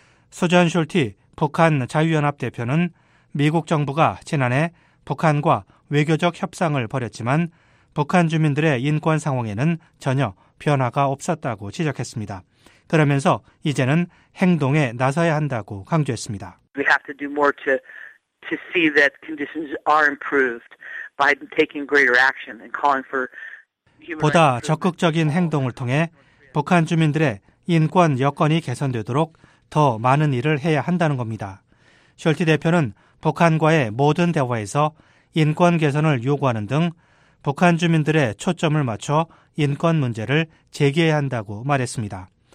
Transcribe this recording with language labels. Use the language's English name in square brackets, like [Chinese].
[Korean] 수전 숄티 북한 자유연합 대표는 미국 정부가 지난해 북한과 외교적 협상을 벌였지만 북한 주민들의 인권 상황에는 전혀 변화가 없었다고 지적했습니다. 그러면서 이제는 행동에 나서야 한다고 강조했습니다. [English] We have to do more to see that conditions are improved by taking greater action and calling for [Korean] 보다 적극적인 행동을 통해 북한 주민들의 인권 여건이 개선되도록 더 많은 일을 해야 한다는 겁니다. 숄티 대표는 북한과의 모든 대화에서 인권 개선을 요구하는 등 북한 주민들의 초점을 맞춰 인권 문제를 제기해야 한다고 말했습니다.